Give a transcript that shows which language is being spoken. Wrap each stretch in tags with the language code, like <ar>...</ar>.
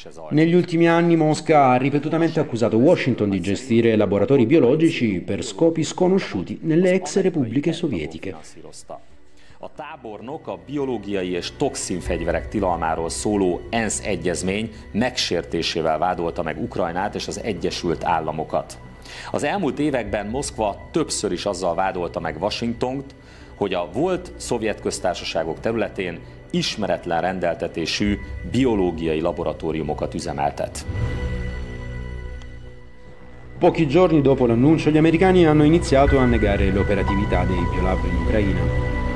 <it>Negli ultimi anni Mosca ha ripetutamente accusato Washington di gestire laboratori biologici per scopi sconosciuti nelle ex repubbliche sovietiche.</it> <hu>A tábornok a biológiai és toxinfegyverek tilalmáról szóló ENSZ egyezmény megsértésével vádolta meg Ukrajnát és az Egyesült Államokat. Az elmúlt években Moszkva többször is azzal vádolta meg Washingtont, hogy a volt szovjet köztársaságok területén ismeretlen rendeltetésű biológiai laboratóriumokat üzemeltet.</hu> <it>Pochi giorni dopo l'annuncio, gli americani hanno iniziato a negare l'operatività dei biolab in Ucraina.</it>